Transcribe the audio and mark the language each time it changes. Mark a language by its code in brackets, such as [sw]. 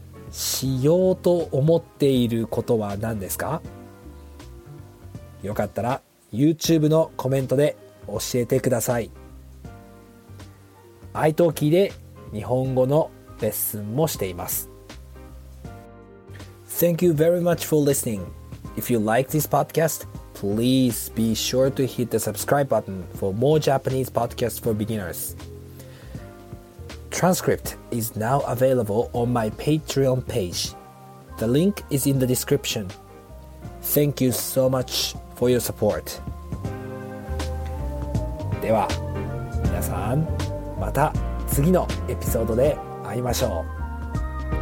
[ja] しようと思っていることは何ですか？よかったら YouTube のコメントで教えてください。 iTalkieで日本語のレッスンもしています。 [en] Thank you very much for listening. If you like this podcast, please be sure to hit the subscribe button for more Japanese podcasts for beginners. transcript is now available on my Patreon page. The link is in the description. Thank you so much for your support. [ja] では、皆さん、また次のエピソードで会いましょう。